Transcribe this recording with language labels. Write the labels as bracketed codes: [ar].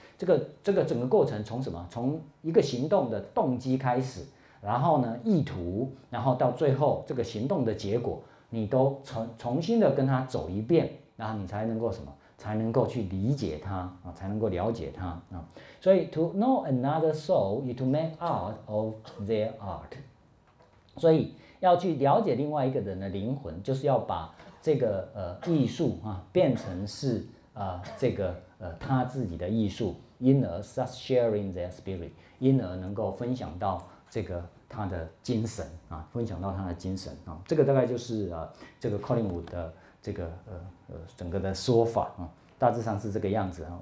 [zh] 这个整个过程从什么？从一个行动的动机开始，然后呢意图，然后到最后这个行动的结果，你都重新的跟他走一遍，然后你才能够什么？才能够去理解他啊，才能够了解他啊。所以 [en] to know another soul is to make art of their art。 [zh] 所以要去了解另外一个人的灵魂，就是要把这个艺术啊变成是这个。他自己的艺术，因而 [en] sharing their spirit， [zh] 因而能够分享到这个他的精神啊，分享到他的精神啊，这个大概就是这个 Collingwood 的这个整个的说法啊，大致上是这个样子啊。